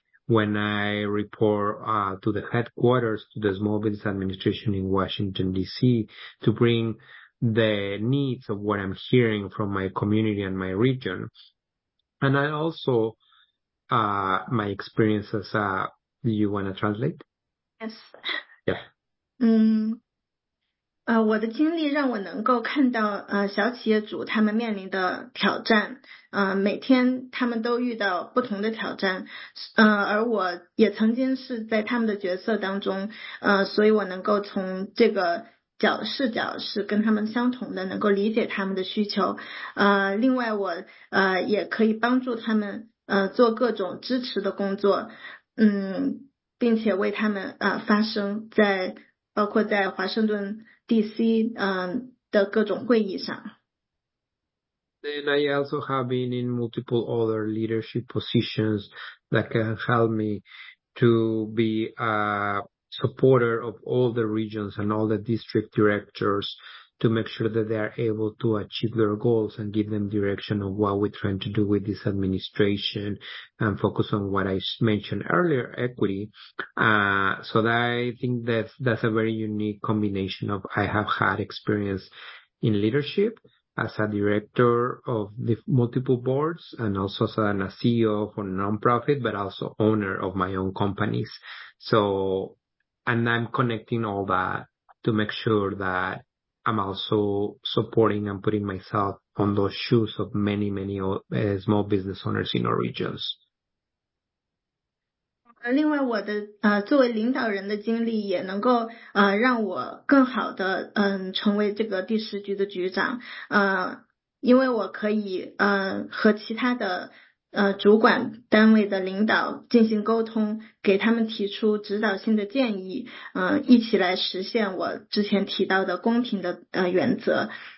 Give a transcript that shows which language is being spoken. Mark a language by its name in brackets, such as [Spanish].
[English] When I report to the headquarters, to the Small Business Administration in Washington, D.C., to bring the needs of what I'm hearing from my community and my region. And I also, my experiences, do you want to translate? Yes. Yeah. [Chinese] 我的经历让我能够看到小企业主他们面临的挑战，每天他们都遇到不同的挑战，而我也曾经是在他们的角色当中，所以我能够从这个视角是跟他们相同的，能够理解他们的需求，另外我也可以帮助他们做各种支持的工作，并且为他们发声，在包括在华盛顿D.C. 的各种会议上。 [English] Then I also have been in multiple other leadership positions that can help me to be a supporter of all the regions and all the district directors to make sure that they are able to achieve their goals and give them direction of what we're trying to do with this administration and focus on what I mentioned earlier, equity. So that I think that's a very unique combination of I have had experience in leadership as a director of the multiple boards and also as a CEO for a nonprofit, but also owner of my own companies. So, and I'm connecting all that to make sure that I'm also supporting and putting myself on those shoes of many, many small business owners in our regions. [Chinese] 另外我的作为领导人的经历也能够让我更好的成为这个第十局的局长，因为我可以和其他的主管单位的领导进行沟通，给他们提出指导性的建议，一起来实现我之前提到的公平的原则。